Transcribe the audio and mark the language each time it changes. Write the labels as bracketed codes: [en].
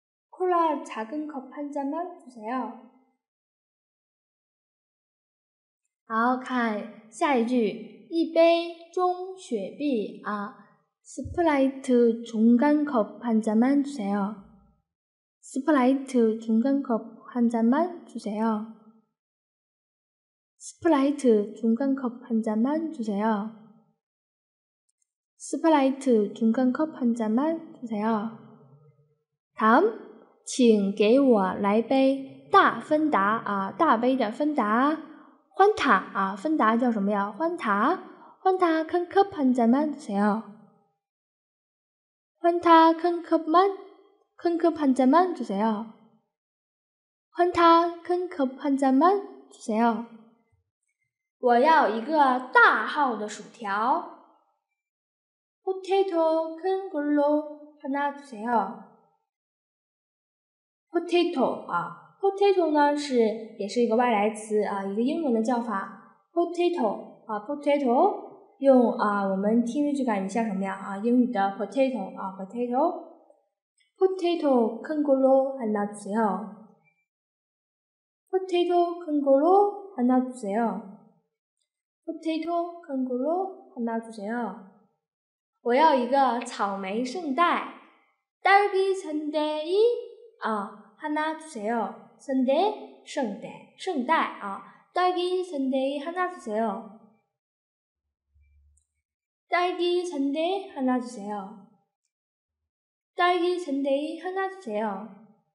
[ko] 콜라작은컵한잔만주세요。 [zh] 好，看下一句，一杯中雪碧啊， [ko] 스프라이트중간컵한잔만주세요。 스프라이트중간컵한잔만주세요。 스프라이트중간컵한잔만주세요。 스프라이트중간컵한잔만주세요。 다음 [zh] 请给我来杯大芬达啊，大杯的芬达，欢塔啊，芬达叫什么呀？ [ko] 欢塔，欢塔큰컵한잔만주세요。欢塔큰컵만，큰컵한잔만주세요。欢塔큰컵한잔만주세요。 [zh] 我要一个大号的薯条。 [ko] 포테토큰걸로하나주세요。 [zh] potato 啊 ，potato 呢是也是一个外来词啊，一个英文的叫法。 potato 啊 ，potato 用啊，我们听着就感觉像什么呀啊，英语的 potato 啊 ，potato。 [ko] potato 큰걸로하나주세요。 potato 큰걸로하나주세요。 potato 큰걸로하나주세요。 [zh] 我要一个草莓圣代， [ko] 딸기천대이 [zh] 啊。 [ko] 하나주세요。 [zh] 圣诞，圣诞，圣诞啊！ [ko] 딸기천대하나주세요。 딸기천대하나주세요。 딸기천대하나주세요。